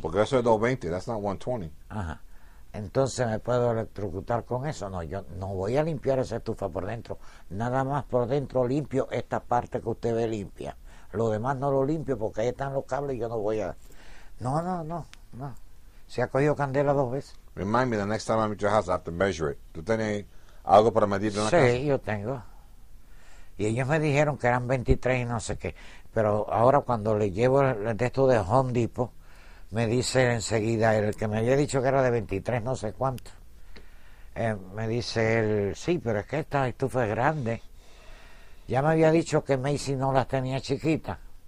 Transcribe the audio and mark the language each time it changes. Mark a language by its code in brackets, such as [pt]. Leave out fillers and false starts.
[es] Porque eso es 220, [en] that's not 120. [es] Ajá. Entonces me puedo electrocutar con eso. No, yo no voy a limpiar esa estufa por dentro. Nada más por dentro limpio esta parte que usted ve limpia. Lo demás no lo limpio porque ahí están los cables y yo no voy a. No, no, no, no. Se ha cogido candela 2 veces. [en] Remind me the next time I'm at your house, I have to measure it. [es] ¿Tú tienes algo para medir en la casa? Sí, yo tengo. Y ellos me dijeron que eran 23 y no sé qué. Pero ahora cuando le llevo el texto de Home Depot, me dice enseguida el que me había dicho que era de 23, no sé cuánto. Me dice él, sí, pero es que esta estufa es grande. Ya me había dicho que Macy no las tenía chiquitas,